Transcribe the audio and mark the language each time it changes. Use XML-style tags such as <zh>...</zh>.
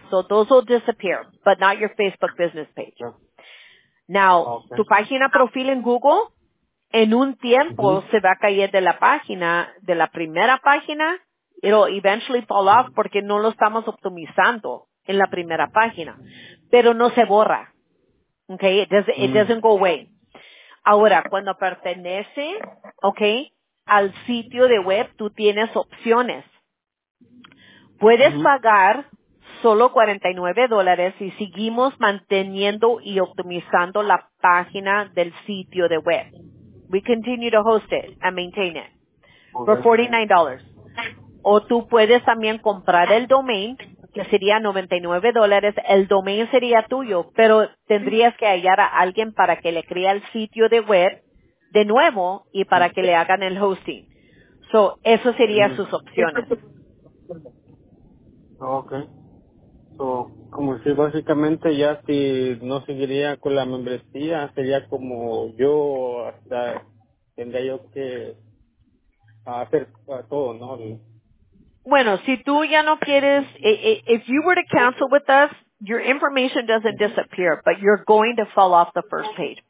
<en>So those will disappear, but not your Facebook business page.</en> <es>Now, tu página profil en Google, en un tiempo se va a caer de la página, de la primera página.</es> <en>It'll eventually fall off</en> <es>porque no lo estamos optimizando en la primera página. Pero no se borra. Okay?</es> <en>It doesn't go away.</en> <es>Ahora, cuando pertenece, okay, al sitio de web, tú tienes opciones. Puedes pagar solo $49 y seguimos manteniendo y optimizando la página del sitio de web.</es> <en>We continue to host it and maintain it for $49.</en> <es>O tú puedes también comprar el domain, que sería $99. El domain sería tuyo, pero tendrías que hallar a alguien para que le crea el sitio de web de nuevo y para que le hagan el hosting. So, eso serían sus opciones. Okay. So, como si básicamente ya si no seguiría con la membresía, sería como yo hasta tendría yo que hacer todo, ¿no? Bueno, si tú ya no quieres,</es> <en>if you were to cancel with us, your information doesn't disappear, but you're going to fall off the first page.</en>